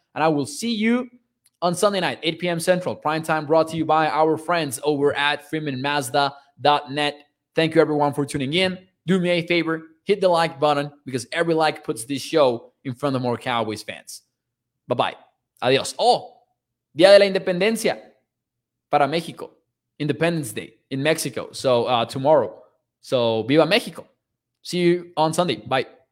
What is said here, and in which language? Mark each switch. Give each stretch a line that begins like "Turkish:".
English: And I will see you on Sunday night, 8 p.m. Central, primetime brought to you by our friends over at FreemanMazda.net. Thank you, everyone, for tuning in. Do me a favor, hit the like button, because every like puts this show in front of more Cowboys fans. Bye-bye.
Spanish: Adios. Oh, Día de la Independencia para México.
English: Independence Day in Mexico. So tomorrow. So
Spanish: Viva México.
English: See you on Sunday. Bye.